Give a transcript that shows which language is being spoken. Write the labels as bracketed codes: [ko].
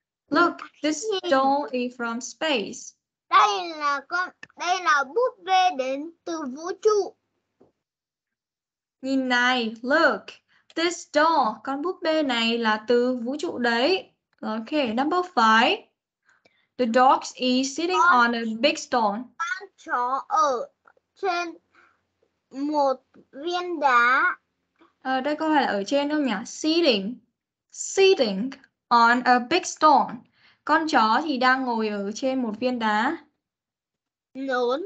[en] Look, this doll is from space. [vi] là con, đây là búp bê đến từ vũ trụ. Nhìn này, [en] look, this doll, [vi] con búp bê này là từ vũ trụ đấy. [en] Ok, number 5. The dog is sitting on a big stone. [vi] Con chó ở trên một viên đá. Đây có phải là ở trên không nhỉ? [en] Sitting. Sitting on a big stone. [vi] Con chó thì đang ngồi ở trên một viên đá. Nốn.